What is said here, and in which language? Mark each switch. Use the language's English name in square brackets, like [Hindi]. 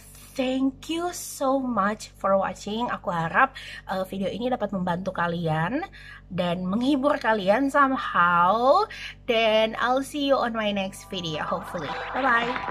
[English] Thank you so much for watching. [Indonesian] Aku harap video ini dapat membantu kalian dan menghibur kalian somehow. Dan [English] I'll see you on my next video, hopefully. Bye-bye.